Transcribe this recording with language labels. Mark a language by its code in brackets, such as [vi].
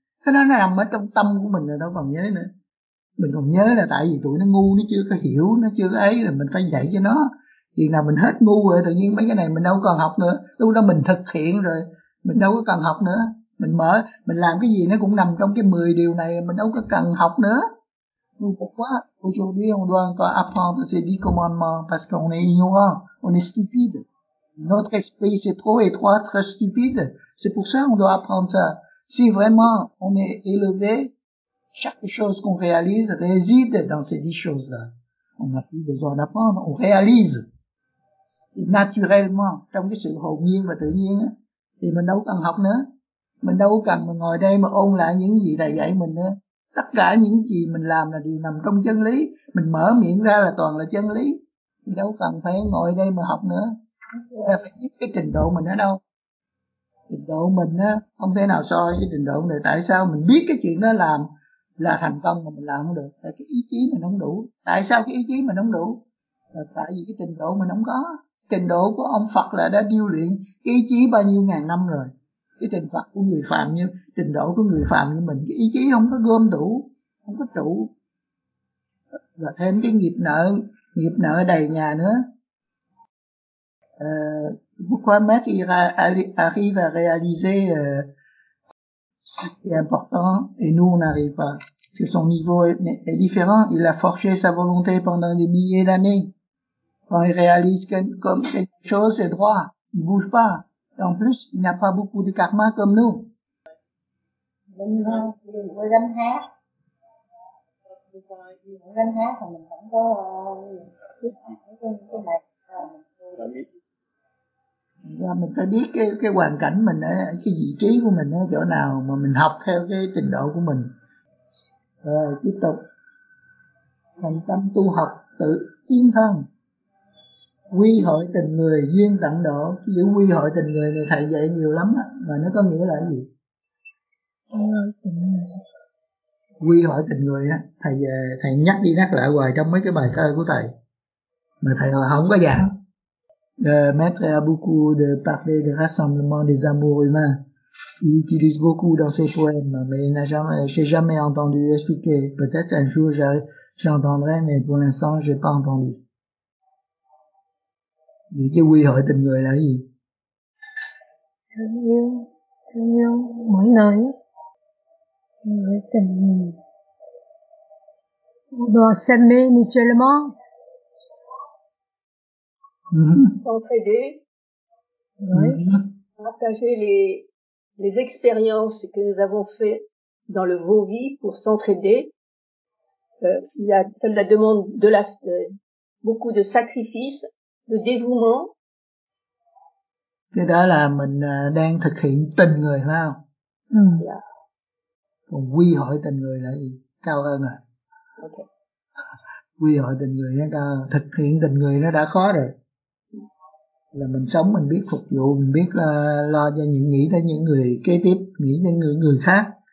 [vi] Cái đó nó nằm ở trong tâm của mình rồi đâu còn nhớ nữa. Mình còn nhớ là tại vì tụi nó ngu, nó chưa có hiểu, nó chưa có ấy, là mình phải dạy cho nó. Khi nào mình hết ngu rồi tự nhiên mấy cái này mình đâu còn học nữa. Lúc đó mình thực hiện rồi, mình đâu có cần học nữa. Mình mở, mình làm cái gì nó cũng nằm trong cái 10 điều này, mình đâu có cần học nữa. Ngu phục quá. [fr] Aujourd'hui on doit encore apprendre ces 10 commandements parce qu'on est ignorant, on est stupide. Notre esprit c'est trop étroit, très stupide. C'est pour ça qu'on doit apprendre ça. Si vraiment on est élevé, chaque chose qu'on réalise réside dans ces 10 choses-là. On n'a plus besoin d'apprendre, on réalise. Et naturellement, [vi] trong cái sự hồn nhiên và tự nhiên á, thì mình đâu cần học nữa. Mình đâu cần mà ngồi đây mà ôn lại những gì thầy dạy mình nữa. Tất cả những gì mình làm là đều nằm trong chân lý. Mình mở miệng ra là toàn là chân lý. Thì đâu cần phải ngồi đây mà học nữa. Phải biết cái trình độ mình ở đâu. Trình độ mình á, không thể nào so với trình độ người. Tại sao mình biết cái chuyện đó làm là thành công mà mình làm không được? Tại cái ý chí mình không đủ. Tại sao cái ý chí mình không đủ? Là tại vì cái trình độ mình không có. Trình độ của ông Phật là đã điêu luyện cái ý chí bao nhiêu ngàn năm rồi. Cái trình Phật của người phàm như trình độ của người phàm như mình, cái ý chí không có gom đủ, không có trụ. Và thêm cái nghiệp nợ đầy nhà nữa. [fr] Pourquoi mettre arrive à réaliser ce qui est important et nous on n'arrive pas. Parce que son niveau est différent, il a forgé sa volonté pendant des milliers d'années. Quand il réalise comme quelque chose, c'est droit, il bouge pas. Et en plus, il n'a pas beaucoup de karma comme nous. [vi] Là mình phải biết cái hoàn cảnh mình ấy, cái vị trí của mình ở chỗ nào mà mình học theo cái trình độ của mình. Rồi tiếp tục thành tâm tu học tự tiến thân. Quy hội tình người duyên tận độ. Cái chữ quy hội tình người này thầy dạy nhiều lắm á, mà nó có nghĩa là cái gì? Quy hội tình người á, thầy nhắc đi nhắc lại hoài trong mấy cái bài thơ của thầy mà thầy không có giảng. [fr] Le maître a beaucoup de parler de rassemblement des amours humains. Il utilise beaucoup dans ses poèmes, mais il n'a jamais, j'ai jamais entendu expliquer. Peut-être un jour j'entendrai, mais pour l'instant j'ai pas entendu. [vi] Vậy chứ quy hội tình người là gì? Thương yêu mỗi người. Quy hội tình người. [fr] On doit s'aimer mutuellement. S'entraider. Mm-hmm. Partager les expériences que nous avons faites dans le Vauvie pour s'entraider. Il y a comme la demande de la, beaucoup de sacrifices. Le dévouement. [vi] Cái đó là mình đang thực hiện tình người phải không? Yeah. Còn quy hội tình người là gì? Cao hơn à? Okay. Quy hội tình người nó cao hơn. Thực hiện tình người nó đã khó rồi. Là mình sống, mình biết phục vụ, mình biết lo cho những, nghĩ tới những người kế tiếp, nghĩ tới những người khác.